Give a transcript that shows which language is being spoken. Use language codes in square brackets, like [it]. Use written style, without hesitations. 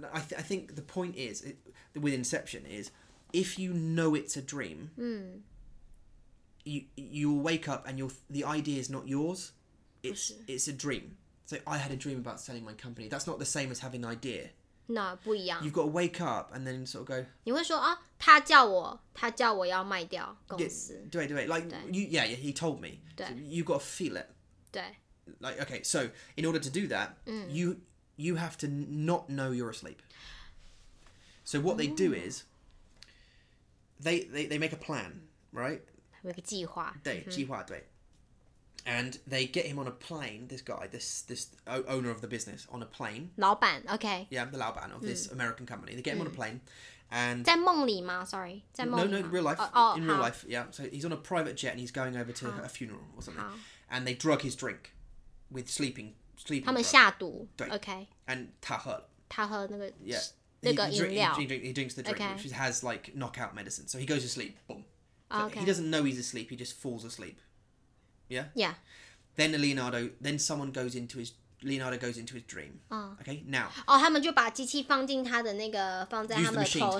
[en] I think the point is, with Inception, is if you know it's a dream,、 mm. you'll wake up and the idea is not yours. It's a dream. So I had a dream about selling my company. That's not the same as having an idea. [zh] No, 不一样。 [en] You've got to wake up and then sort of go... [zh] 你会说、啊、他叫我要卖掉公司。 [en] Yeah, 对对 like, 对 you, yeah, yeah, he told me. So、 you've got to feel it. [zh] 对 [en] Like, okay, so in order to do that,、 mm. you have to not know you're asleep. So what、mm. they do is, they make a plan, right? [zh] 有个计划。对、mm-hmm. 计划对。 [en] And they get him on a plane, this guy, this owner of the business, on a plane. [zh] 老板 okay. [en] Yeah, the 老板 of this、mm. American company. They get him、mm. on a plane. And [zh] 在梦里吗 [en] Sorry [zh] 在梦里吗 [en] No, real life oh, oh, In real life Yeah So he's on a private jet And he's going over to a funeral Or something And they drug his drink With sleeping [zh] 他们下毒 Okay And 他喝那个 [en] Yeah [zh] 那个饮料 [en] he drinks the drink、 okay. Which has like Knockout medicine So he goes to sleep Boom、so okay. He doesn't know he's asleep He just falls asleep Yeah Yeah Then Leonardo Then someone goes into hisLeonardo goes into his dream.、 Oh. Okay, now. [zh] Oh, 他们就把机器放进他的那个放在他们的头上。